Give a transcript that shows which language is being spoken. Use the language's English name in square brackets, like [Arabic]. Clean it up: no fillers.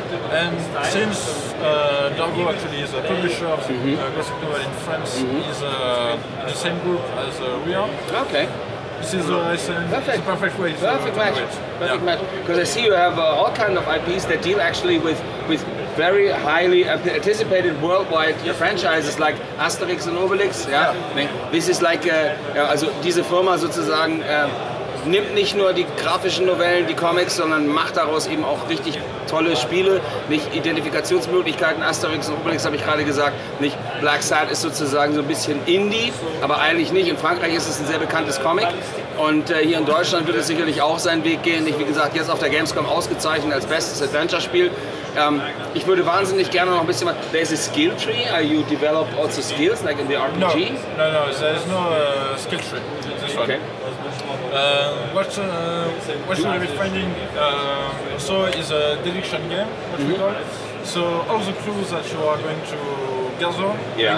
[English] And since Dargo actually is a publisher of graphic novel in France, is the same group as we are. Okay. This is perfect. The perfect way. Perfect match. Because I see you have all kind of IPs that deal actually with very highly anticipated worldwide franchises like Asterix and Obelix. This is like [German] also diese Firma sozusagen nimmt nicht nur die grafischen Novellen, die Comics, sondern macht daraus eben auch richtig tolle Spiele, nicht Identifikationsmöglichkeiten, Asterix und Obelix habe ich gerade gesagt, nicht Blacksad ist sozusagen so ein bisschen Indie, aber eigentlich nicht. In Frankreich ist es ein sehr bekanntes Comic und hier in Deutschland wird es sicherlich auch seinen Weg gehen. Nicht wie gesagt, jetzt auf der Gamescom ausgezeichnet als bestes Adventure-Spiel. Ich würde wahnsinnig gerne noch ein bisschen was. [English] There's a skill tree. Are you develop also skills like in the RPG? No, there's no skill tree. This okay. What we're finding also is a deduction game, what mm-hmm. we call. So all the clues that you are going to gather yeah.